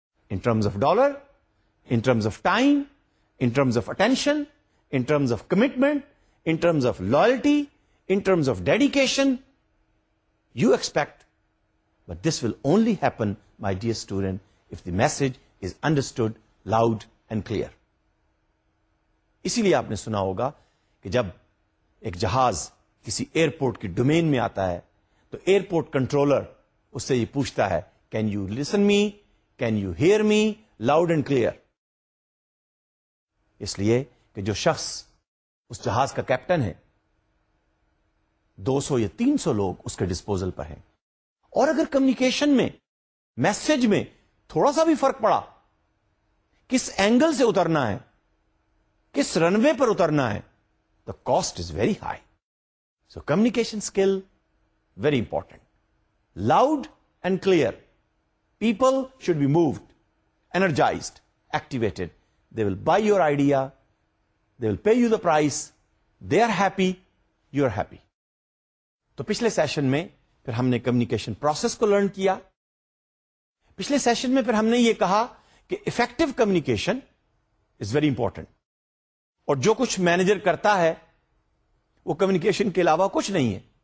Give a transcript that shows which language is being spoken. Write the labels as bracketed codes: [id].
[en] in terms of dollar, in terms of time, in terms of attention, in terms of commitment, in terms of loyalty, in terms of dedication, you expect. But this will only happen, my dear student, if the message is understood loud and clear. [ur] اسی لیے آپ نے سنا ہوگا کہ جب ایک جہاز کسی ایئرپورٹ کی ڈومین میں آتا ہے تو ایئرپورٹ کنٹرولر اس سے یہ پوچھتا ہے, [en] Can you listen me, can you hear me loud and clear. [ur] اس لیے کہ جو شخص اس جہاز کا کیپٹن ہے 200 یا 300 لوگ اس کے ڈسپوزل پر ہیں, اور اگر کمیونیکیشن میں, میسج میں تھوڑا سا بھی فرق پڑا, کس اینگل سے اترنا ہے, کس رن وے پر اترنا ہے, تو [en] Cost is very high. So communication skill very important, loud and clear. People should be moved, energized, activated. They will buy your idea, they will pay you the prize, they are happy, you are happy. [ur] تو پچھلے session میں پھر ہم نے communication process کو learn کیا. پچھلے session میں پھر ہم نے یہ کہا کہ [en] effective communication is very important, [ur] اور جو کچھ مینیجر کرتا ہے وہ کمیونیکیشن کے علاوہ کچھ نہیں ہے.